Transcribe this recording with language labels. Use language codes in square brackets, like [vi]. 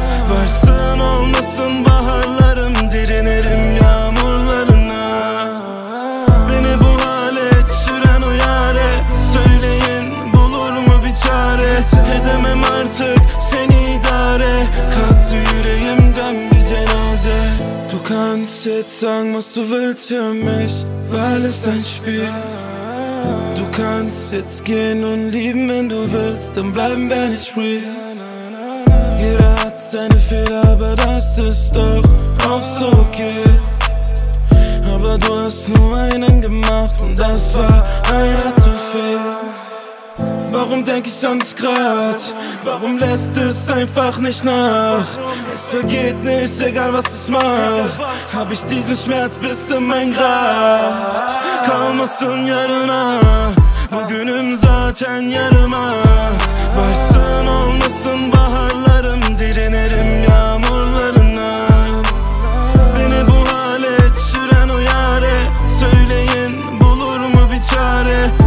[tr] Varsın olmasın baharlarım, direnirim yağmurlarına. Beni bu hale düşüren uyar et, söyleyin bulur mu bir çare. Edemem artık seni idare, kalktı yüreğimden bir cenaze. [de] Du kannst sagen, was du willst für mich, weil es ein Spiel. Du kannst jetzt gehen und lieben, wenn du willst, dann bleiben wir nicht real. Jeder hat seine Fehler, aber das ist doch auch so okay. Aber du hast nur einen gemacht und das war einer zu viel. Warum denk ich an's grad? Warum lässt es einfach nicht nach? Es vergeht nicht, egal was ich mach. Hab ich diesen Schmerz bis in mein Grab. [tr] Kalmasın yarına, bugünüm zaten yarıma. Varsın olmasın baharlarım, direnirim yağmurlarına. Beni bu hale düşüren uyar et, söyleyin bulur mu bir çare.